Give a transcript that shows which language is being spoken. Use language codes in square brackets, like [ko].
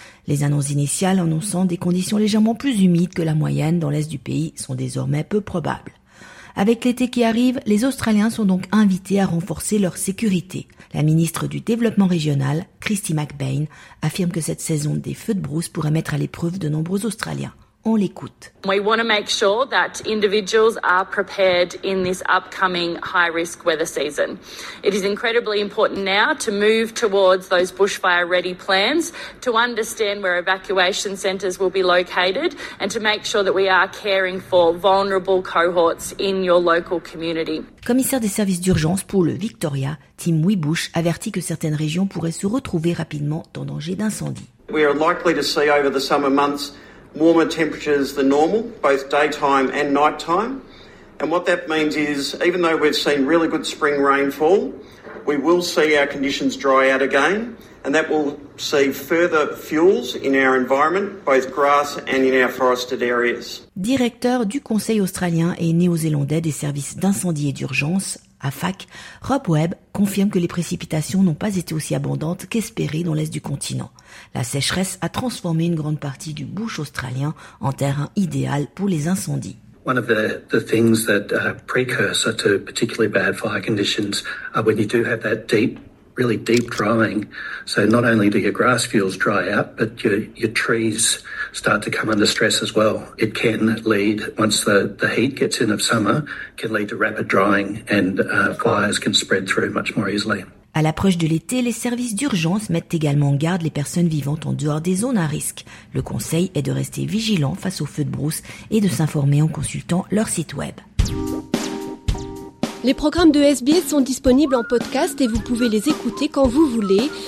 [fr] Les annonces initiales annonçant des conditions légèrement plus humides que la moyenne dans l'est du pays sont désormais peu probables. Avec l'été qui arrive, les Australiens sont donc invités à renforcer leur sécurité. La ministre du Développement régional, Christy McBain, affirme que cette saison des feux de brousse pourrait mettre à l'épreuve de nombreux Australiens. On l'écoute. [en] We want to make sure that individuals are prepared in this upcoming high-risk weather season. It is incredibly important now to move towards those bushfire-ready plans, to understand where evacuation centres will be located, and to make sure that we are caring for vulnerable cohorts in your local community. [fr] Commissaire des services d'urgence pour le Victoria, Tim Wibush, avertit que certaines régions pourraient se retrouver rapidement en danger d'incendie. [en] We are likely to see over the summer months warmer temperatures than normal, both daytime and nighttime. And what that means is, even though we've seen really good spring rainfall, we will see our conditions dry out again, and that will see further fuels in our environment, both grass and in our forested areas. [fr] Directeur du Conseil australien et néo-zélandais des services d'incendie et d'urgence, AFAC, Rob Webb confirme que les précipitations n'ont pas été aussi abondantes qu'espérées dans l'est du continent. La sécheresse a transformé une grande partie du bush australien en terrain idéal pour les incendies. [en] One of the things that precursor to particularly bad fire conditions are when you do have that deep, really deep drying. So not only do your grass fields dry out, but your trees start to come under stress as well. It can lead, once the heat gets in of summer, can lead to rapid drying and fires can spread through much more easily. [fr] À l'approche de l'été, les services d'urgence mettent également en garde les personnes vivant en dehors des zones à risque. Le conseil est de rester vigilant face aux feux de brousse et de s'informer en consultant leur site web. Les programmes de SBS sont disponibles en podcast et vous pouvez les écouter quand vous voulez.